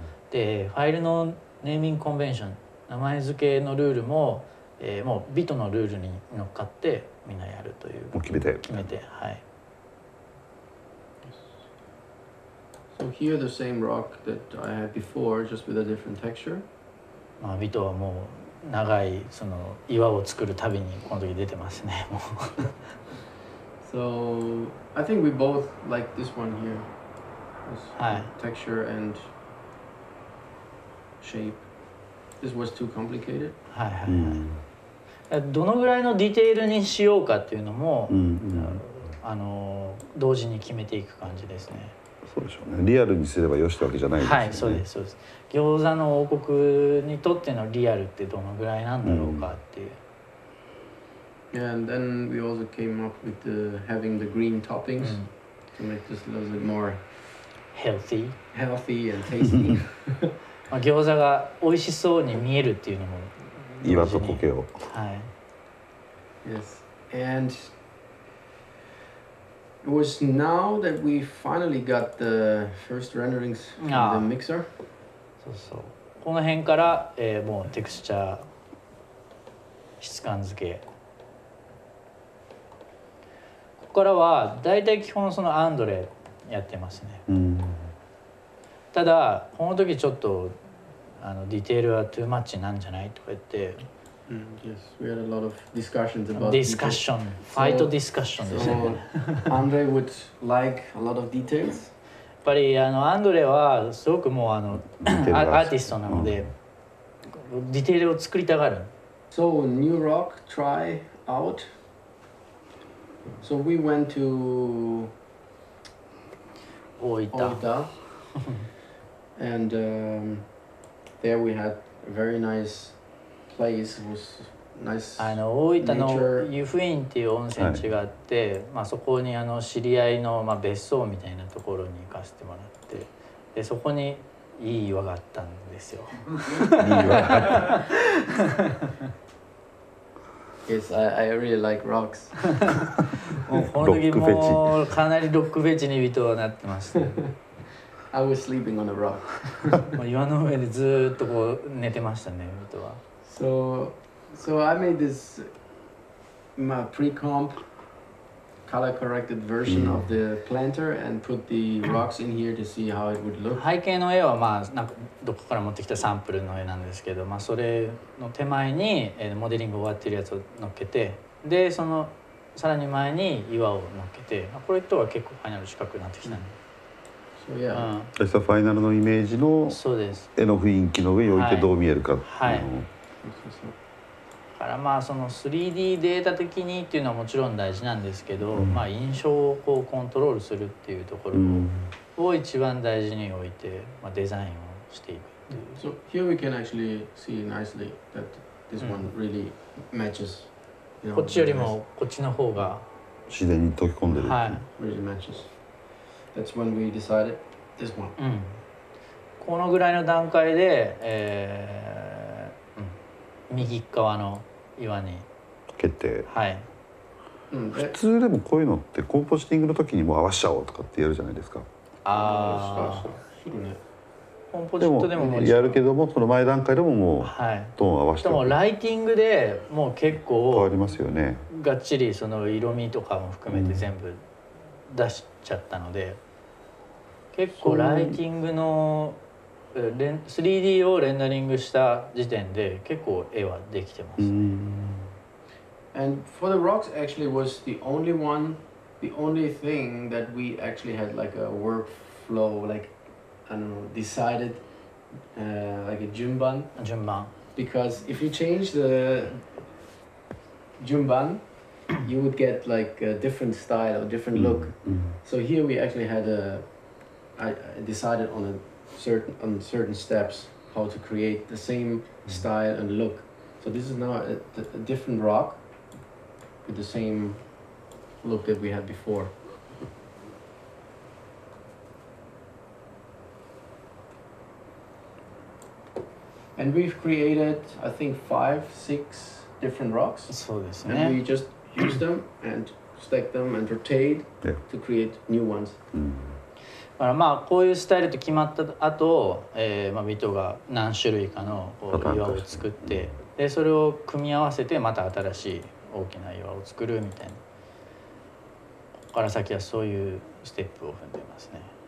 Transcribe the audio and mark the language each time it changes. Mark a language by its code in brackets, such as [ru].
[ja] で、ファイルのネーミングコンベンション、名前付けのルールも、もうビトのルールに乗っかってみんなやるという。もう決めて。決めて、はい。 [en] So here the same rock that I had before, just with a different texture. [ja] まあビトはもう長いその岩を作るたびにこの時出てますね。もう。 [en] So I think we both like this one here. This texture and shape. This was too complicated. [ja] はいはいはい。どのぐらいのディテールにしようかっていうのも、あの同時に決めていく感じですね。そうでしょうね。リアルにすればよしってわけじゃないですね。はい、そうですそうです。餃子の王国にとってのリアルってどのぐらいなんだろうかっていう。 [en] Yeah, and then we also came up with the, having the green toppings to make this a little bit more healthy and tasty. [ja] まあ、餃子が美味しそうに見えるっていうのも岩と苔を、はい。 [en] Yes, and it was now that we finally got the first renderings from the mixer. [ja] そうそう。この辺から、もうテクスチャー質感付け。ここからはだいたい基本そのアンドレやってますね。ただこの時ちょっとあのディテールはトゥーマッチなんじゃないとか言って、 [en] Yes, we had a lot of discussions about discussion, fight discussion [ja] ですね。 [en] Andre would like a lot of details. [ja] やっぱりあのアンドレはすごくもうあのアーティストなので、ディテールを作りたがる。 [en] So new rock try out. So we went to [ja] 大分。大分。 [en] And there we had a very nice place. It was nice、 [ja] あの大分の湯布院っていう温泉地があって、はい、まあ、そこにあの知り合いの、まあ、別荘みたいなところに行かせてもらって、でそこにいい岩があったんですよ。 [en] Yes, I really like rocks. [ja] もうこの時もうかなりロックフェチに人はなってます、 [en] ね。I was sleeping on a rock. [ja] もう岩の上でずっとこう寝てましたね、人は。 [en] So I made this my pre-comp color corrected version of the planter and put the rocks in here to see how it would look. [ja] 背景の絵はまあなんかどこから持ってきたサンプルの絵なんですけど、まあ、それの手前にモデリング終わってるやつを乗っけて、でそのさらに前に岩を乗っけて、まあ、これとは結構ファイナル近くなってきたね。 [en] So yeah. [ja] そしたらファイナルのイメージの絵の雰囲気の上に置いてどう見えるかっていうのを、はいはい、からまあその 3D データ的にっていうのはもちろん大事なんですけど、うん、まあ、印象をこうコントロールするっていうところを一番大事に置いて、まあ、デザインをしていくっていう。 [en] So here we can actually see nicely that this one really matches, you know, [ja] こっちよりもこっちの方が自然に溶け込んでる、はい、 [en] really matches. That's when we decided this one、 [ja] うん、このぐらいの段階で、右側の岩に決定、はい、普通でもこういうのってコンポジティングの時にもう合わせちゃおうとかってやるじゃないですか。ああ、そうですね。コンポジットでももちろんやるけども、その前段階でももうトーン合わせて、はい、でもライティングでもう結構変わりますよね。がっちりその色味とかも含めて全部出しちゃったので、うん、結構ライティングの3D をレンダリングした時点で結構絵はできてますね。 [en] And for the rocks actually was the only one, the only thing that we actually had like a workflow, like I don't know, decided, like a 順番 because if you change the 順番 you would get like a different style or different look. So here we actually had a I decided on aCertain steps how to create the same style and look. So this is now a different rock with the same look that we had before. And we've created, I think, 5-6 different rocks. [ja] そうですね。 [en] And we just use them and stack them and rotate、 yeah. to create new ones.、 Mm. [ja] だからまあこういうスタイルと決まった後、まあビトが何種類かのこう岩を作って、でそれを組み合わせてまた新しい大きな岩を作るみたいな、ここから先はそういうステップを踏んでますね。